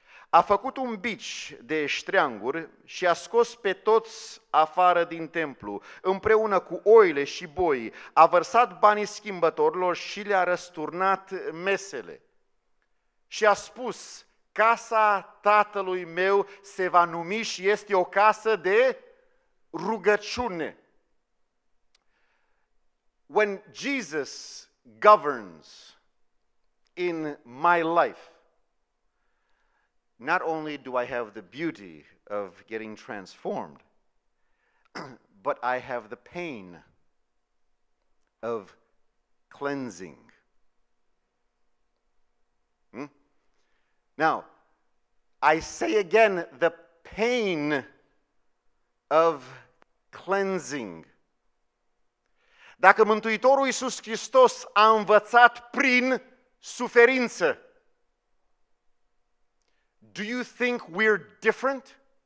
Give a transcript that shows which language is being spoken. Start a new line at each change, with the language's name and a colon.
Romanian: A făcut un bici de ștreanguri și a scos pe toți afară din templu, împreună cu oile și boii, a vărsat banii schimbătorilor și le-a răsturnat mesele. Și a spus, casa tatălui meu se va numi și este o casă de rugăciune.
English: When Jesus governs in my life, not only do I have the beauty of getting transformed, but I have the pain of cleansing. Now, I say again, the pain of cleansing.
Romanian: Dacă Mântuitorul Iisus Hristos a învățat prin suferință,
English: do you think we're different?